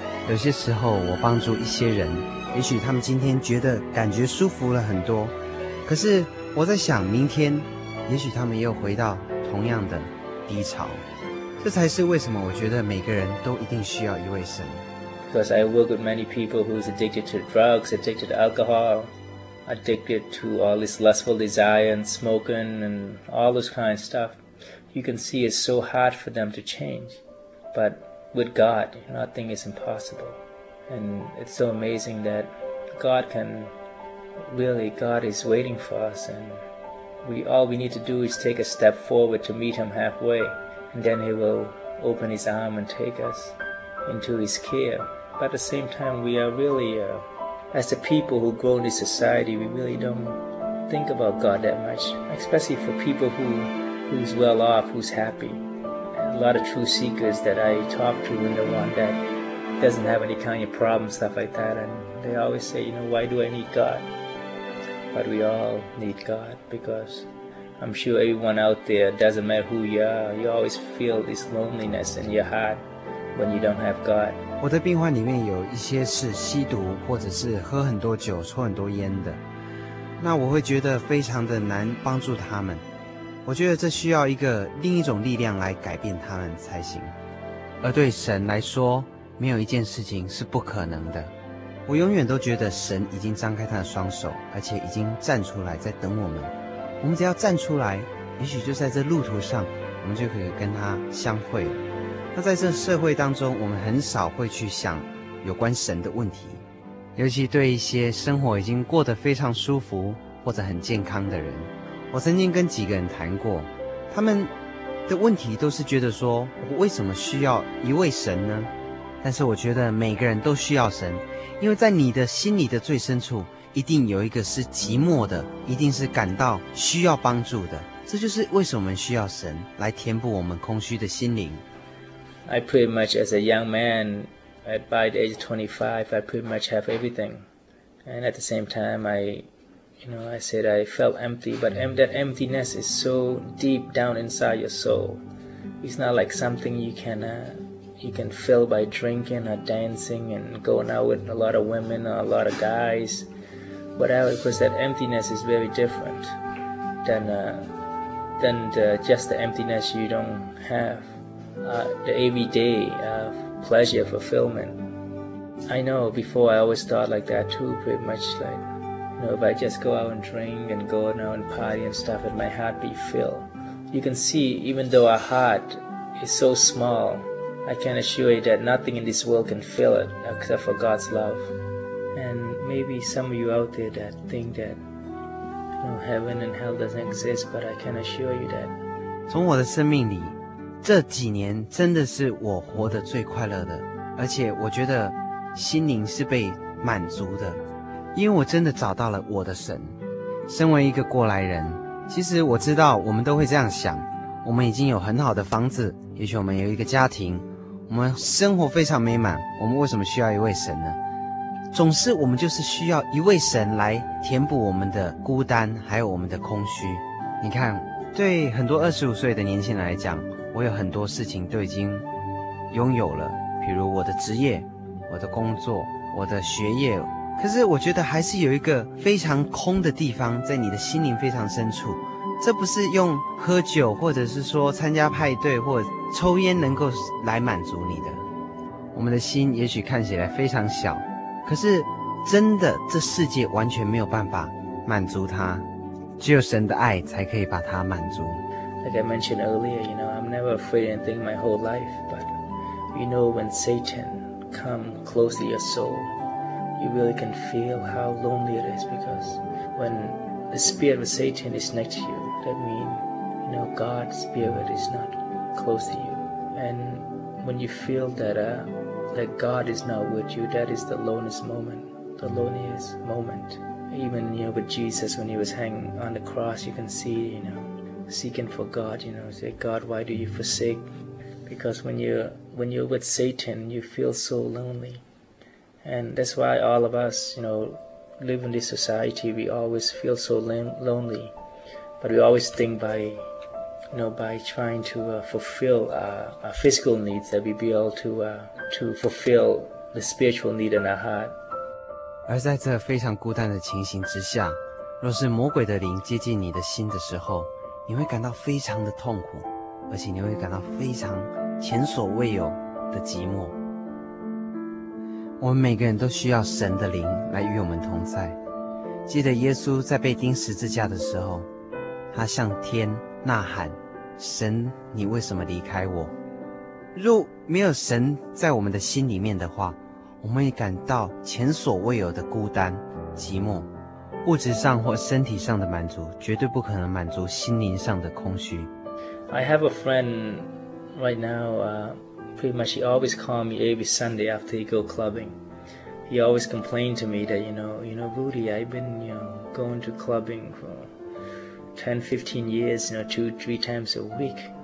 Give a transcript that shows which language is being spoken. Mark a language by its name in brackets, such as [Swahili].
[Chinese] 有些时候我帮助一些人，也许他们今天觉得感觉舒服了很多，可是我在想明天也许他们又回到同样的低潮。这才是为什么我觉得每个人都一定需要一位神。 [English] Because I work with many people who is addicted to drugs, addicted to alcohol, addicted to all this lustful desire and smoking and all this kind of stuff. You can see it's so hard for them to change. But with God, nothing is impossible. And it's so amazing that God can, really, God is waiting for us. And all we need to do is take a step forward to meet Him halfway. And then He will open His arm and take us into His care. But at the same time, we are really, as the people who grow in this society, we really don't think about God that much. Especially for people who's well off, who's happy. And a lot of true seekers that I talk to, and the one that doesn't have any kind of problem, stuff like that. And they always say, you know, why do I need God? But we all need God, because... I'm sure everyone out there, doesn't matter who you are, you always feel this loneliness in your heart when you don't have God. [Chinese] 我的病患里面有一些是吸毒或者是喝很多酒、抽很多烟的，那我会觉得非常的难帮助他们。我觉得这需要一个另一种力量来改变他们才行。而对神来说，没有一件事情是不可能的。我永远都觉得神已经张开他的双手，而且已经站出来在等我们。我们只要站出来，也许就在这路途上，我们就可以跟他相会了。那在这社会当中，我们很少会去想有关神的问题，尤其对一些生活已经过得非常舒服或者很健康的人。我曾经跟几个人谈过，他们的问题都是觉得说，我为什么需要一位神呢？但是我觉得每个人都需要神，因为在你的心里的最深处，一定有一个是寂寞的，一定是感到需要帮助的。这就是为什么我们需要神来填补我们空虚的心灵。 [English] I pretty much as a young man, by the age of 25, I pretty much have everything. And at the same time, I said I felt empty, but that emptiness is so deep down inside your soul. It's not like something you can fill by drinking or dancing and going out with a lot of women or a lot of guys. Whatever, because that emptiness is very different than just the emptiness you don't have. The everyday pleasure, fulfillment. I know before I always thought like that too, pretty much like, you know, if I just go out and drink and go out and party and stuff, and my heart be filled. You can see, even though our heart is so small, I can assure you that nothing in this world can fill it except for God's love. And maybe some of you out there that think that, you know, heaven and hell doesn't exist, but I can assure you that. [Chinese] 从我的生命里，这几年真的是我活得最快乐的，而且我觉得心灵是被满足的，因为我真的找到了我的神。身为一个过来人，其实我知道我们都会这样想，我们已经有很好的房子，也许我们有一个家庭，我们生活非常美满，我们为什么需要一位神呢？总是我们就是需要一位神来填补我们的孤单还有我们的空虚。你看，对很多25岁的年轻人来讲，我有很多事情都已经拥有了，比如我的职业、我的工作、我的学业，可是我觉得还是有一个非常空的地方在你的心灵非常深处。这不是用喝酒或者是说参加派对或抽烟能够来满足你的。我们的心也许看起来非常小，可是真的这世界完全没有办法满足它，只有神的爱才可以把它满足。 [English] Like I mentioned earlier, you know, I'm never afraid of anything my whole life, but you know when Satan come close to your soul, you really can feel how lonely it is, because when the spirit of Satan is next to you, that means, you know, God's spirit is not close to you. And when you feel that God is not with you, that is the loneliest moment, the loneliest moment. Even, you know, with Jesus, when he was hanging on the cross, you can see, you know,seeking for God, you know, say, God, why do you forsake? Because when you're with Satan, you feel so lonely. And that's why all of us, you know, live in this society, we always feel so lonely. But we always think by trying to fulfill our physical needs that we'd be able to fulfill the spiritual need in our heart. [Chinese] 而在这非常孤单的情形之下，若是魔鬼的灵接近你的心的时候，你会感到非常的痛苦，而且你会感到非常前所未有的寂寞。我们每个人都需要神的灵来与我们同在。记得耶稣在被钉十字架的时候，他向天呐喊，神，你为什么离开我？若没有神在我们的心里面的话，我们会感到前所未有的孤单寂寞。物质上或身体上的满足绝对不可能满足心灵上的空虚。 [English] I have a friend right now, pretty much he always calls me every Sunday after he go clubbing. He always complained to me that, you know, Rudy, I've been, you know, going to clubbing for 10, 15 years, you know, 2-3 times a week.